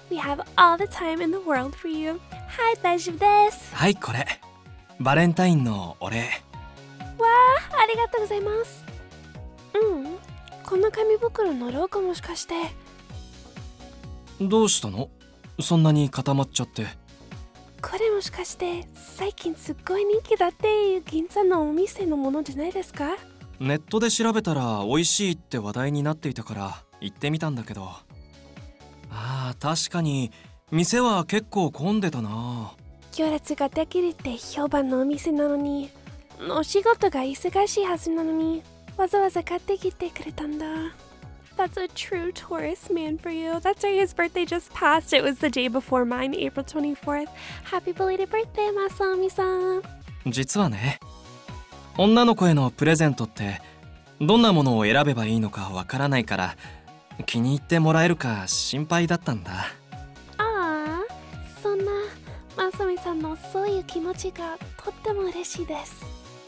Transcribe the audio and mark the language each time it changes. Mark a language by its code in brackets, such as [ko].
[en] We have all the time in the world for you. [ja] はい、大丈夫です。はい、これ。バレンタインのお礼。わー、ありがとうございます。うん、この紙袋のロゴもしかして。どうしたの？そんなに固まっちゃって。これもしかして最近すっごい人気だっていう銀座のお店のものじゃないですか？ネットで調べたら美味しいって話題になっていたから行ってみたんだけど、ああ確かに店は結構混んでたな。行列ができるって評判のお店なのに、お仕事が忙しいはずなのにわざわざ買ってきてくれたんだ。 [en] That's a true Taurus man for you. That's right, his birthday just passed. It was the day before mine, April 24th. Happy belated birthday, Masaomi-san. [ja] 実はね、女の子へのプレゼントってどんなものを選べばいいのかわからないから、気に入ってもらえるか心配だったんだ。ああ、そんな Masaomi-san のそういう気持ちがとっても嬉しいです。